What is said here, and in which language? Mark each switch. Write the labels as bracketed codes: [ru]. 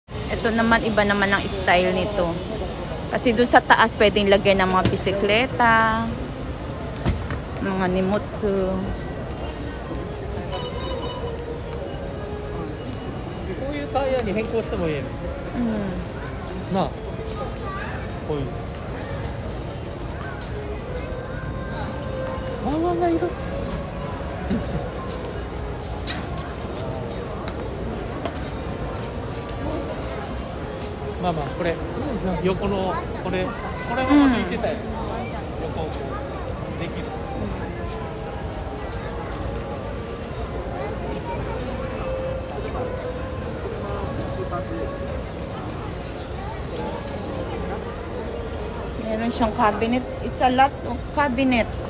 [tl] Ito naman, iba naman ang style nito. Kasi doon sa taas, pwedeng lagay ng mga bisikleta, mga nimutsu. [ja] こういうタイヤに変更してもいい。うん。なあ。こういう。ワンワンがいる。まあ、これ横のこれこれも抜いてたよ、うん、横もできる、 [tl] うん、meron siyang cabinet, [en] it's a lot of cabinet.